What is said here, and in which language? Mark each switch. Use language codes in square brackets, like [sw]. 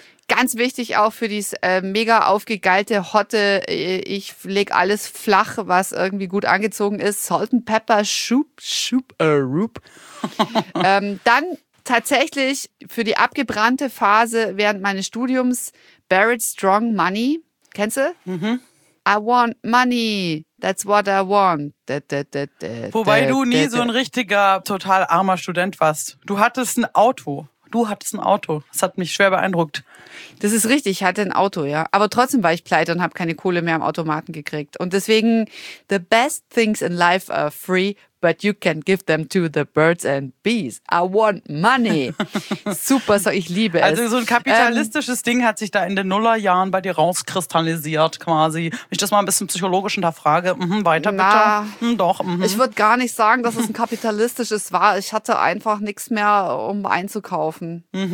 [de] Ganz wichtig auch für dieses mega aufgegeilte, hotte, ich leg alles flach, was irgendwie gut angezogen ist. Salt and Pepper, Shoop. dann tatsächlich für die abgebrannte Phase während meines Studiums, Barrett Strong Money. Kennst du? Mhm. [en] I want money, that's what I want. [de] Wobei du nie so ein richtiger, total armer Student warst. Du hattest ein Auto. Das hat mich schwer beeindruckt. Das ist richtig, ich hatte ein Auto, ja. Aber trotzdem war ich pleite und habe keine Kohle mehr am Automaten gekriegt. Und deswegen, [en] the best things in life are free, but you can give them to the birds and bees. I want money. [de] Super, so ich liebe es. Also so ein kapitalistisches Ding hat sich da in den Nullerjahren bei dir rauskristallisiert quasi. Wenn ich das mal ein bisschen psychologisch hinterfrage, weiter bitte. Ich würde gar nicht sagen, dass es ein kapitalistisches war. Ich hatte einfach nichts mehr, um einzukaufen.